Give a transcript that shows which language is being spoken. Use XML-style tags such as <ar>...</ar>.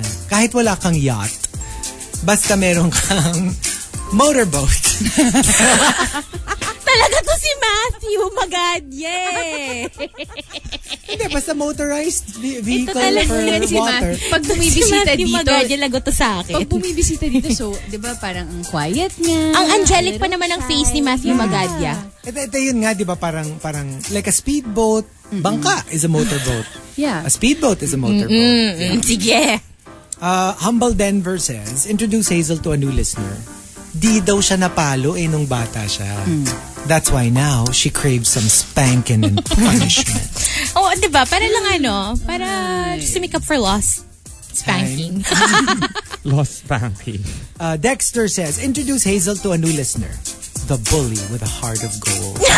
<tl>Kahit wala kang yacht, basta meron kang motorboat. Talaga to si Matthew Magadia. Hindi, basta</tl> <en>motorized vehicle for water.</en> <tl>Si pag bumibisita si dito, Magadia lago to sa akin. Pag bumibisita dito, so, di ba, parang ang quiet niya. Ang angelic pa naman ang face ni Matthew Magadia. Ito yun nga, di ba, parang</tl> <en>like a speedboat.</en> <tl>Mm-hmm.</tl> <en>Bangka is a motorboat. Yeah. A speedboat is a motorboat. Mm-hmm. Yeah. Sige. Humble Denver says, introduce Hazel to a new listener.</en> <tl>Di daw siya napalo eh nung bata siya. Mm.</tl> <en>That's why now she craves some spanking and punishment.</en> <tl>Oh, di ba? Para lang ano?</tl> <en>Para just to make up for lost spanking. Lost spanking. Dexter says, introduce Hazel to a new listener. The bully with a heart of gold.</en>